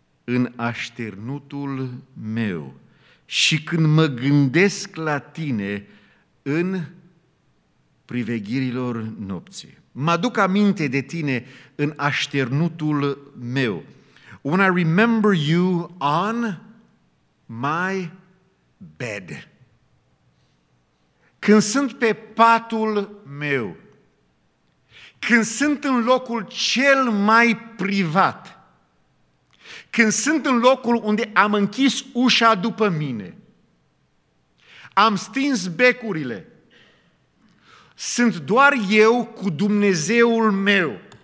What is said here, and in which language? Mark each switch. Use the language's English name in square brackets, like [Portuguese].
[Romanian] în așternutul meu și când mă gândesc la tine în privegherilor nopții. Mă aduc aminte de tine în așternutul meu. [English] When I remember you on my bed. [Romanian] Când sunt pe patul meu, când sunt în locul cel mai privat, când sunt în locul unde am închis ușa după mine, am stins becurile, sunt doar eu cu Dumnezeul meu.